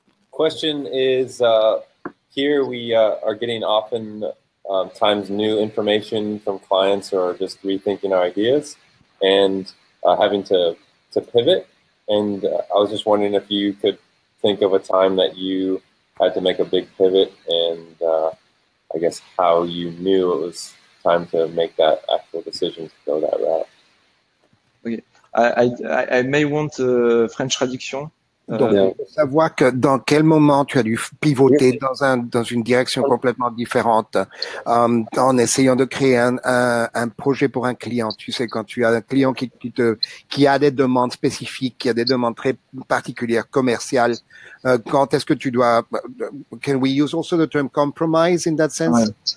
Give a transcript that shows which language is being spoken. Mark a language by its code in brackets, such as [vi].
[en] Question is, here we are getting often times new information from clients or just rethinking our ideas and having to pivot. And I was just wondering if you could think of a time that you had to make a big pivot, and I guess how you knew it was time to make that actual decision to go that route. Okay. I may want a French traduction. [fr] Donc, savoir que dans quel moment tu as dû pivoter dans une direction complètement différente en essayant de créer un projet pour un client. Tu sais, quand tu as un client qui a des demandes spécifiques, qui a des demandes très particulières, commerciales, quand est-ce que tu dois... [en] Can we use also the term compromise in that sense?